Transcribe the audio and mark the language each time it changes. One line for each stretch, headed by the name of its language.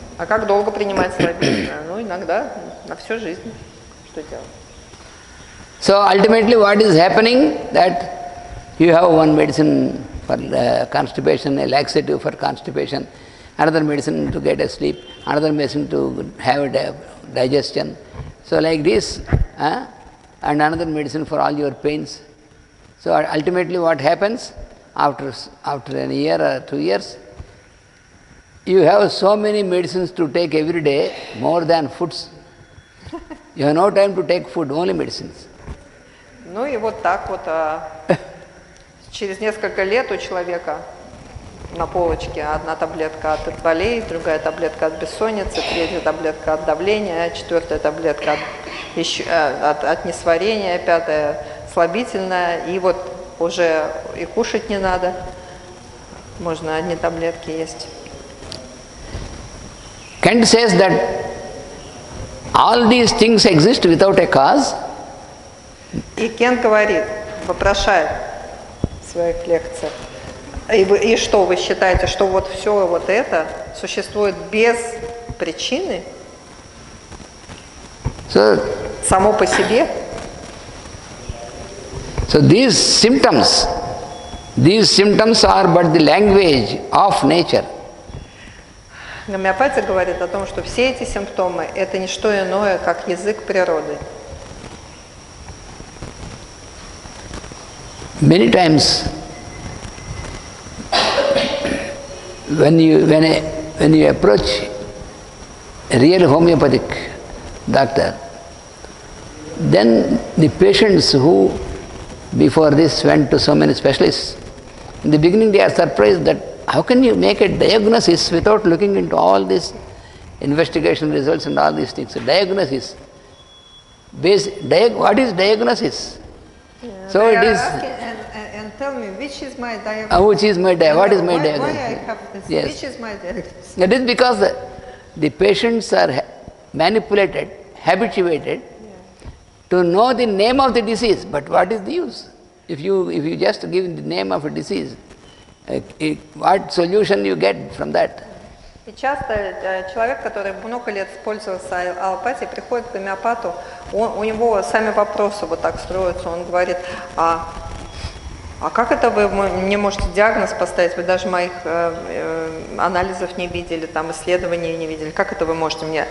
Russian: А как долго принимать слабительное? Ну, иногда, на всю жизнь. Что делать?
English: So, ultimately, what is happening, that you have one medicine for constipation, a laxative for constipation, another medicine to get a sleep, another medicine to have a digestion. So like this, and another medicine for all your pains. So ultimately what happens after an year or 2 years, you have so many medicines to take every day, more than foods. You have no time to take food, only medicines.
Russian: Ну и вот так вот. Через несколько лет у человека на полочке одна таблетка от болей, другая таблетка от бессонницы, третья таблетка от давления, четвертая таблетка от несварения, пятая слабительная, и вот уже и кушать не надо, можно одни таблетки есть.
English: Kant says that all these things exist without a cause.
Russian: И Кент говорит, вопрошает своих лекциях. И что вы считаете, что вот все вот это существует без причины?
English: So,
Russian: само по себе?
English: So these symptoms are but the language of nature.
Russian: Гомеопатия говорит о том, что все эти симптомы это не что иное, как язык природы.
English: Many times when you approach a real homeopathic doctor, then the patients who before this went to so many specialists, in the beginning they are surprised that how can you make a diagnosis without looking into all these investigation results and all these things. What is diagnosis? Yeah, so it is. Tell me, which is my diagnosis? What is my diagnosis? Why I have this? Yes. Which is my diagnosis? That is because the patients are manipulated, habituated to know the name of the disease. But what is the use? If you just give the name of a disease, what solution you get from that?
Russian: И часто человек, который много лет пользовался аллопатией, приходит к гомеопату, у него сами вопросы вот так строятся. Он говорит, А как это вы мне можете диагноз поставить? Вы даже моих анализов не видели, там исследований не видели. Как это вы можете мне?